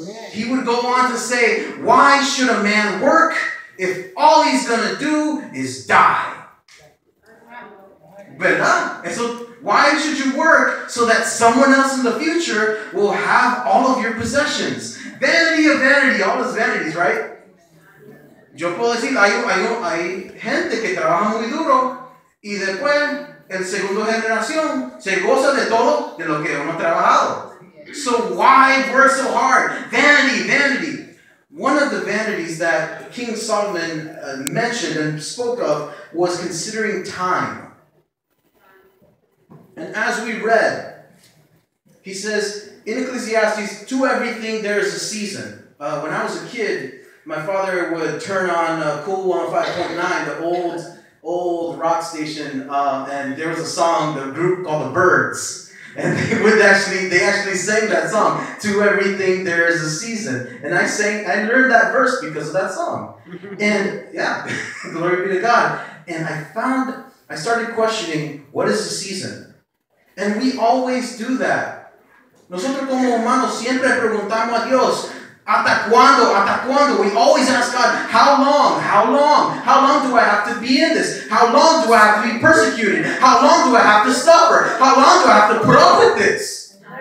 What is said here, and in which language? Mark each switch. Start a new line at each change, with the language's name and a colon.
English: He would go on to say, why should a man work if all he's going to do is die? And so, why should you work so that someone else in the future will have all of your possessions? Vanity of vanity, all is vanities, right?
Spanish: Yo puedo decir, hay gente que trabaja muy duro y después, el segundo generación se goza de todo de lo que hemos trabajado.
English: So why work so hard? Vanity, vanity. One of the vanities that King Solomon mentioned and spoke of was considering time. And as we read, he says, in Ecclesiastes, to everything there is a season. When I was a kid, my father would turn on Cool 105.9, the old rock station, and there was a song, the group called The Birds. And they actually sang that song, to everything there is a season. And I learned that verse because of that song. And yeah, glory be to God. And I started questioning, what is a season? And we always do that.
Spanish: Nosotros como humanos siempre preguntamos a Dios, ¿hasta cuándo? ¿Hasta cuándo?
English: We always ask God, how long? How long? How long do I have to be in this? How long do I have to be persecuted? How long do I have to suffer? How long do I have to put up with this?